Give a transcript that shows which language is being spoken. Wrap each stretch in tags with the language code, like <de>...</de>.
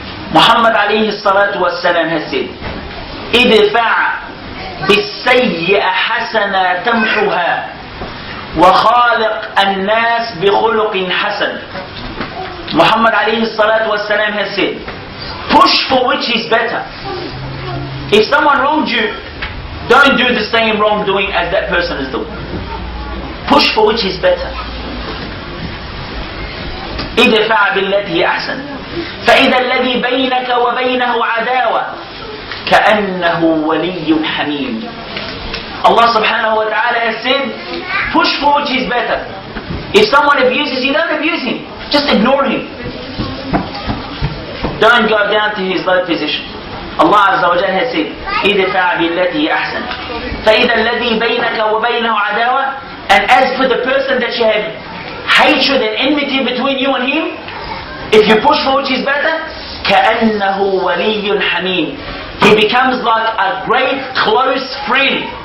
<en>Muhammad alayhi salatu wa salam has said,</en> <ar>اِدْفَعْ بِالسَّيِّئَ حَسَنًا تَمْحُهَا وَخَالِقْ النَّاسِ بِخُلُقٍ حَسَنٍ.</ar> <en>Muhammad alayhi salatu wa salam has said, push for which is better. If someone wronged you, don't do the same wrongdoing as that person is doing. Push for which is better.</en> <ar>اِدْفَعْ بِالَّذِي أَحْسَنٍ فَإِذَا الَّذِي بَيْنَكَ وَبَيْنَهُ عَدَاوَةٌ كَأَنَّهُ وَلِيٌّ حَمِيمٌ.</ar> <en>Allah subhanahu wa ta'ala has said, push for which is better. If someone abuses you, don't abuse him. Just ignore him. Don't go down to his low position. Allah Azza wa Jalla has said,</en> <ar>اِدْفَعْ بِالَّذِي أَحْسَنْ فَإِذَا الَّذِي بَيْنَكَ وَبَيْنَهُ عَدَاوَةٌ.</ar> <en>And as for the person that you have hatred and enmity between you and him, if you push for which is better,</en> <ar>كَأَنَّهُ وَلِيٌّ حَمِيمٌ,</ar> <en>he becomes like a great close friend.</en>